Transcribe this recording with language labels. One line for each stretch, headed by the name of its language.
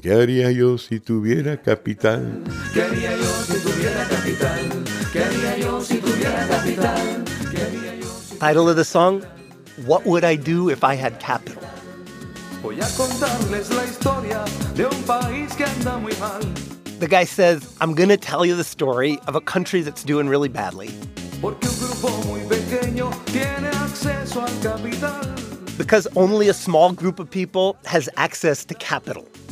Spanish: ¿Qué haría yo si tuviera capital? ¿Qué haría yo si tuviera capital? ¿Qué haría yo si tuviera capital? ¿Qué haría yo si tuviera capital?
English: Title of the song, What Would I Do If I Had Capital?
Spanish: Voy a contarles la historia de un país que anda muy mal.
English: The guy says, I'm going to tell you the story of a country that's doing really badly.
Spanish: Porque un grupo muy pequeño tiene acceso al capital.
English: Because only a small group of people has access to capital.